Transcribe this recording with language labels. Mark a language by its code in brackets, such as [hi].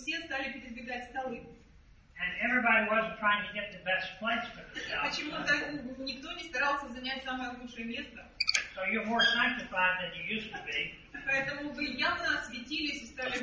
[en] And everybody wasn't trying to get the best place for themselves. [ru] Почему так никто не старался занять самое лучшее место? [en] So you're more sanctified than you used to be. [ru] Поэтому вы явно осветились и стали